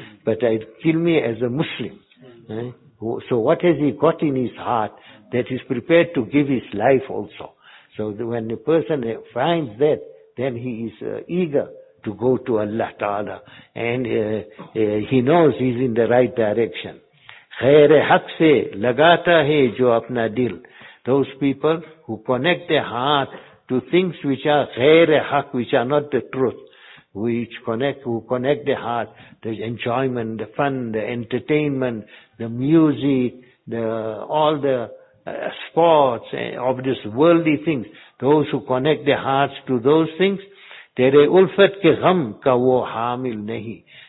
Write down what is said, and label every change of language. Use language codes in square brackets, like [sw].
[en] But they kill me as a Muslim. So what has he got in his heart that he's prepared to give his life also? So when the person finds that, then he is eager to go to Allah Ta'ala. And he knows he's in the right direction. [ur] خیرِ حق سے لگاتا ہے جو اپنا دل. [en] Those people who connect their heart to things which are خیرِ حق, which are not the truth, who connect their heart, the enjoyment, the fun, the entertainment, the music, all the sports of this worldly things, those who connect their hearts to those things, [ur] تیرے الفت کے غم کا وہ حامل نہیں.